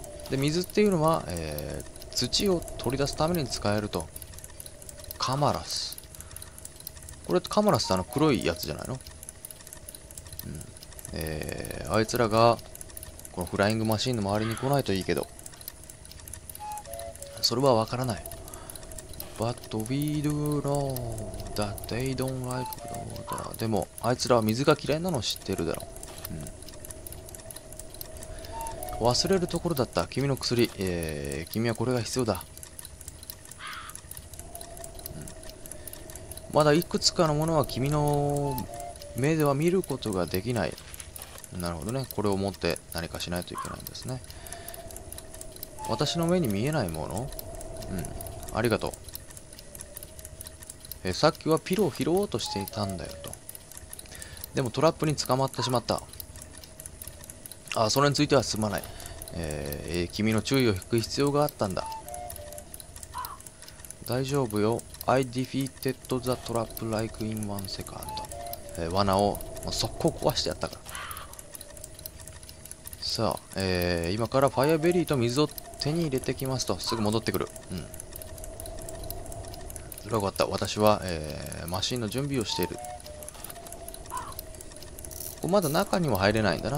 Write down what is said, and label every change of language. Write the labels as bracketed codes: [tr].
[ja] で、水っていうのは、土を取り出すために使えると。カマラス。これカマラスってあの黒いやつじゃないの？うん。あいつらがこのフライングマシンの周りに来ないといいけど。それはわからない。 [en] But we do know that they don't like the water. [ja] でも、あいつらは水が嫌いなのを知ってるだろう。うん。忘れるところだった。君の薬。君はこれが必要だ。まだいくつかのものは君の目では見ることができない。なるほどね。これを持って何かしないといけないんですね。私の目に見えないもの？うん。ありがとう。さっきはピロを拾おうとしていたんだよと。でもトラップに捕まってしまった。あ、それについてはすまない。君の注意を引く必要があったんだ。大丈夫よ。 [en] I defeated the trap like in one second. [ja] 罠を速攻壊してやったから。さあ、今からファイアベリーと水を手に入れてきますと。すぐ戻ってくる。うん。よかった。私は、マシンの準備をしている。ここまだ中にも入れないんだな。